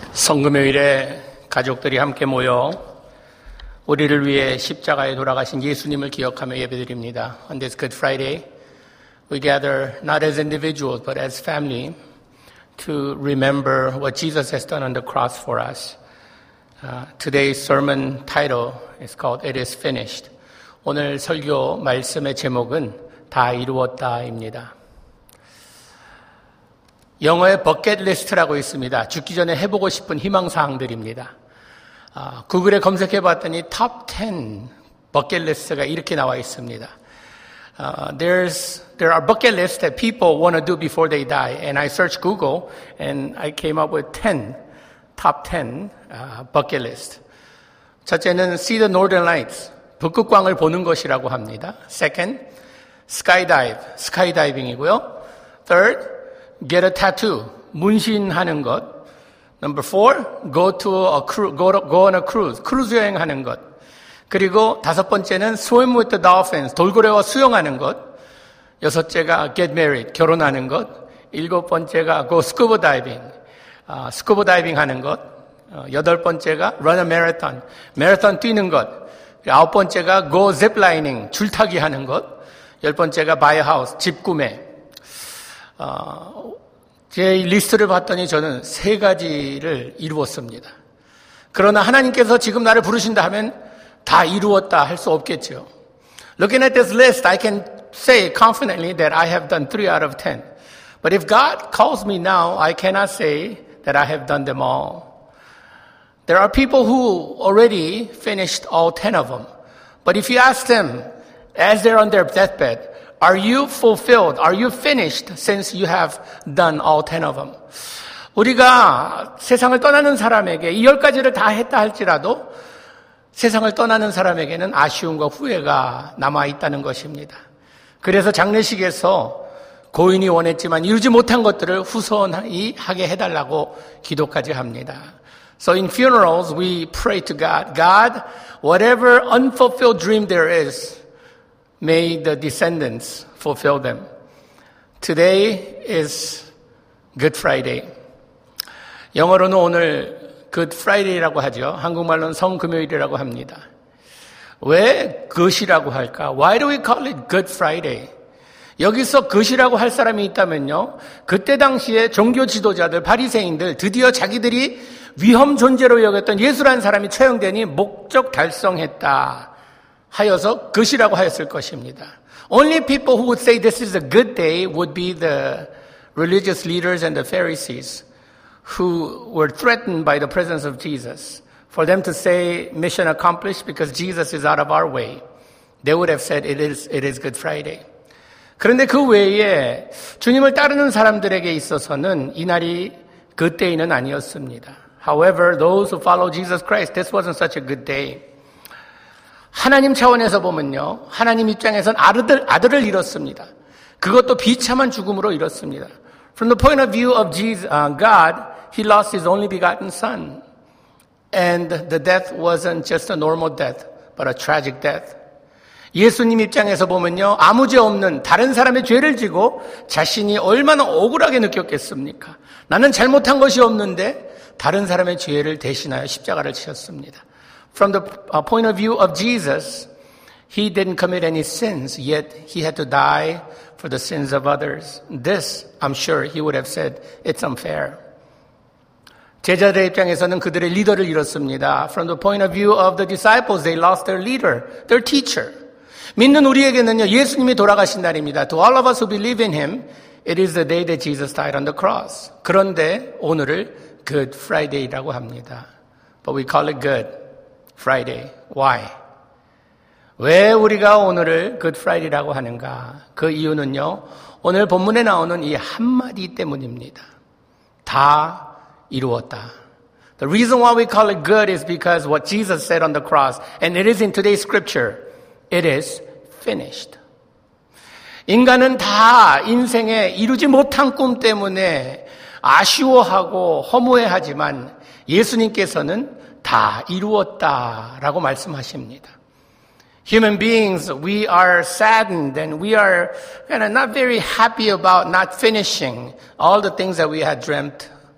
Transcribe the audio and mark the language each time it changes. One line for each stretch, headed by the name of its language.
Korean: 성금요일에 가족들이 함께 모여 우리를 위해 십자가에 돌아가신 예수님을 기억하며 예배드립니다.
English: On this Good Friday, we gather not as individuals but as family to remember what Jesus has done on the cross for us. Today's sermon title is called It is Finished.
Korean: 오늘 설교 말씀의 제목은 다 이루었다입니다. 영어에 버킷리스트라고 있습니다. 죽기 전에 해보고 싶은 희망사항들입니다. 구글에 검색해봤더니 top 10 버킷리스트가 이렇게 나와 있습니다.
English: There are bucket lists that people want to do before they die. And I searched Google and I came up with 10, top 10 bucket lists.
Korean: 첫째는
English: see the northern lights,
Korean: 북극광을 보는 것이라고 합니다.
English: Second, skydiving이고요. Third, get a tattoo,
Korean: 문신하는 것.
English: Number four, go on a cruise,
Korean: 크루즈 여행하는 것. 그리고 다섯 번째는
English: swim with the dolphins,
Korean: 돌고래와 수영하는 것. 여섯째가
English: get married,
Korean: 결혼하는 것. 일곱 번째가
English: go scuba diving,
Korean: scuba diving 하는 것. 여덟 번째가
English: run a marathon,
Korean: 마라톤 뛰는 것. 아홉 번째가
English: go ziplining,
Korean: 줄타기 하는 것. 열 번째가
English: buy a house,
Korean: 집 구매. 제 리스트를 봤더니 저는 세 가지를 이루었습니다. 그러나 하나님께서 지금 나를 부르신다 하면 다 이루었다 할 수 없겠죠.
English: Looking at this list, I can say confidently that I have done 3 out of 10. But if God calls me now, I cannot say that I have done them all. There are people who already finished all 10 of them. But if you ask them, as they're on their deathbed, Are you fulfilled? Are you finished since you have done all 10 of them?
Korean: 우리가 세상을 떠나는 사람에게 이 열 가지를 다 했다 할지라도 세상을 떠나는 사람에게는 아쉬움과 후회가 남아있다는 것입니다. 그래서 장례식에서 고인이 원했지만 이루지 못한 것들을 후손이 하게 해달라고 기도까지 합니다.
English: So in funerals, we pray to God. God, whatever unfulfilled dream there is, May the descendants fulfill them. Today is Good Friday.
Korean: 영어로는 오늘 Good Friday라고 하죠. 한국말로는 성금요일이라고 합니다. 왜 Good이라고 할까?
English: Why do we call it Good Friday?
Korean: 여기서 Good이라고 할 사람이 있다면요. 그때 당시에 종교 지도자들, 바리새인들 드디어 자기들이 위험 존재로 여겼던 예수라는 사람이 처형되니 목적 달성했다. 하여서 것이라고 하였을 것입니다.
English: Only people who would say this is a good day would be the religious leaders and the Pharisees who were threatened by the presence of Jesus. For them to say mission accomplished because Jesus is out of our way, they would have said it is Good Friday.
Korean: 그런데 그 외에 주님을 따르는 사람들에게 있어서는 이날이 Good Day는 아니었습니다.
English: However, those who follow Jesus Christ, this wasn't such a good day.
Korean: 하나님 차원에서 보면요. 하나님 입장에선 아들을 잃었습니다. 그것도 비참한 죽음으로 잃었습니다.
English: From the point of view of Jesus, God, he lost his only begotten son. And the death wasn't just a normal death, but a tragic death.
Korean: 예수님 입장에서 보면요. 아무 죄 없는 다른 사람의 죄를 지고 자신이 얼마나 억울하게 느꼈겠습니까? 나는 잘못한 것이 없는데 다른 사람의 죄를 대신하여 십자가를 치셨습니다.
English: From the point of view of Jesus, he didn't commit any sins, yet he had to die for the sins of others. This, I'm sure, he would have said, it's unfair.
Korean: 제자들의 입장에서는 그들의 리더를 잃었습니다.
English: From the point of view of the disciples, they lost their leader, their teacher.
Korean: 믿는 우리에게는요, 예수님이 돌아가신 날입니다.
English: To all of us who believe in him, it is the day that Jesus died on the cross.
Korean: 그런데 오늘을 Good Friday라고 합니다.
English: But we call it good. Friday. Why?
Korean: 왜 우리가 오늘을 Good Friday라고 하는가? 그 이유는요. 오늘 본문에 나오는 이 한마디 때문입니다. 다 이루었다.
English: The reason why we call it good is because what Jesus said on the cross, and it is in today's scripture, it is finished.
Korean: 인간은 다 인생에 이루지 못한 꿈 때문에 아쉬워하고 허무해하지만 예수님께서는 다 이루었다라고 말씀하십니다.
English: Human beings, we are saddened and we are kind of not very happy about not finishing all the things that we had dreamt